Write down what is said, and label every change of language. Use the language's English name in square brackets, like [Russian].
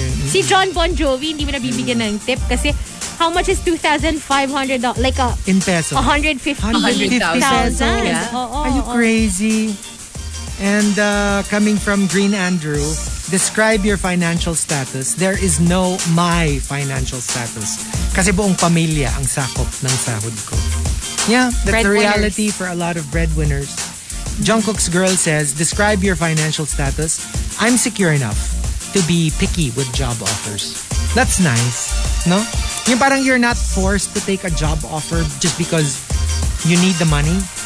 [Filipino] Si John Bon Jovi, hindi mo nabibigyan ng tip kasi [English] how much is $2,500? Like a... In peso. $150,000. Yeah. Are you crazy? And coming from Green Andrew, describe your financial status. There is no my financial status. [Filipino] Kasi buong pamilya ang sakop ng sahod ko. [English] Yeah, that's the reality for a lot of breadwinners. Jungkook's girl says, describe your financial status. I'm secure enough to be picky with job offers. That's nice, no? [Filipino] Yung parang [English] you're not forced to take a job offer just because you need the money.